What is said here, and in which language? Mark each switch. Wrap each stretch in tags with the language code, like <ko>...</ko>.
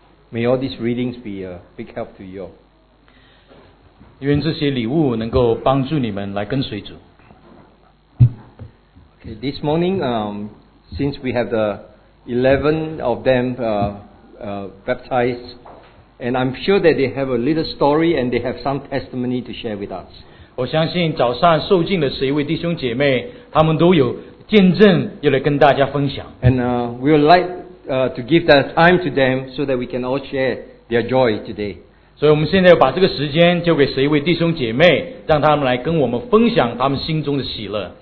<en>May all these readings be a big help to you.</en> <zh>愿这些礼物能够帮助你们来跟随主。</zh> <en>Okay, this morning, since we have the 11 of them baptized, and I'm sure that they have a little story and they have some testimony to share with us.</en> <zh>我相信早上受浸的十一位弟兄姐妹，他们都有见证要来跟大家分享。</zh> <en>And we would like to give that time to them so that we can all share their joy today.</en> <zh>所以我们现在要把这个时间交给十一位弟兄姐妹，让他们来跟我们分享他们心中的喜乐。</zh>